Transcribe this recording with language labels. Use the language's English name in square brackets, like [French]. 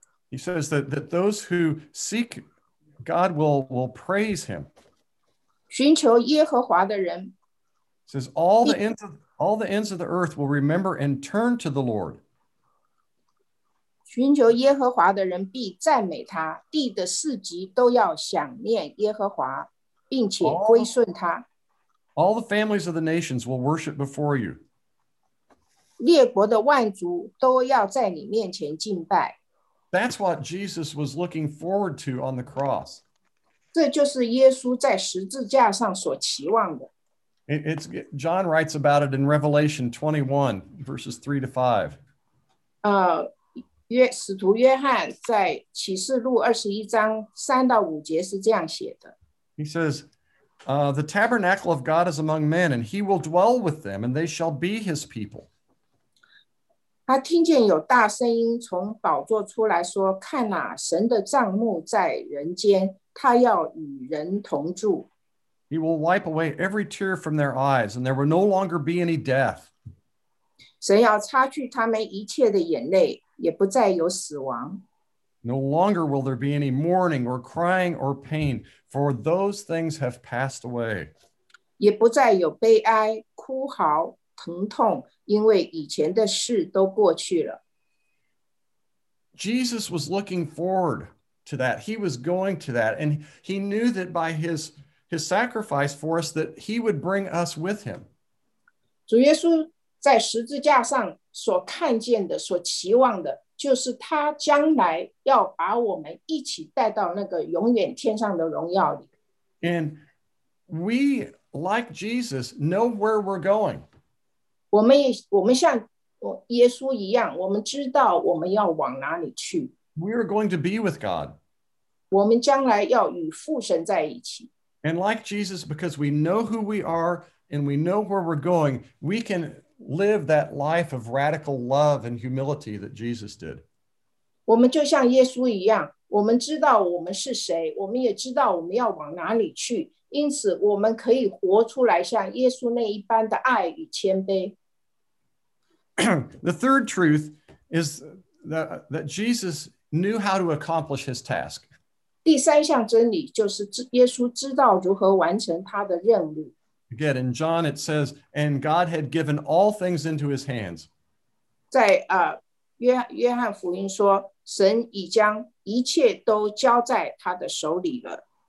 [English] He says that those who seek God will praise him. [Chinese] 寻求耶和华的人, [English] he says, all the ends of the earth will remember and turn to the Lord. [Chinese] 寻求耶和华的人必赞美他, 地的四极都要想念耶和华, 并且归顺他。 [English] All the families of the nations will worship before you. [Chinese] 列国的万族都要在你面前敬拜。 [English] That's what Jesus was looking forward to on the cross. [Chinese] 这就是耶稣在十字架上所期望的。 [English] John writes about it in Revelation 21, verses 3 to 5. [Chinese] 使徒约翰在启示录21章3到5节是这样写的。 [English] He says, the tabernacle of God is among men, and he will dwell with them, and they shall be his people. [Chinese] 他听见有大声音从宝座出来说，看哪，神的帐幕在人间，他要与人同住。 [English] He will wipe away every tear from their eyes, and there will no longer be any death. [Chinese] 神要擦去他们一切的眼泪，也不再有死亡。 [English] No longer will there be any mourning or crying or pain, for those things have passed away. [Chinese] 也不再有悲哀、哭嚎、疼痛。因为以前的事都过去了。 [English] Jesus was looking forward to that. He was going to that. And he knew that by his sacrifice for us, that he would bring us with him. [Chinese] 主耶稣在十字架上所看见的、所期望的，就是他将来要把我们一起带到那个永远天上的荣耀里。 [English] And we, like Jesus, know where we're going. [Chinese] 我们像耶稣一样，我们知道我们要往哪里去。 [English] We are going to be with God. [Chinese] 我们将来要与父神在一起。 [English] And like Jesus, because we know who we are and we know where we're going, we can live that life of radical love and humility that Jesus did. [Chinese] 我们就像耶稣一样，我们知道我们是谁，我们也知道我们要往哪里去。因此我们可以活出来像耶稣那一般的爱与谦卑。 [English] The third truth is that Jesus knew how to accomplish his task. [Chinese] 第三项真理就是耶稣知道如何完成他的任务。 [English] Again, in John it says, and God had given all things into his hands. [Chinese] 在约翰福音说，神已将一切都交在他的手里了。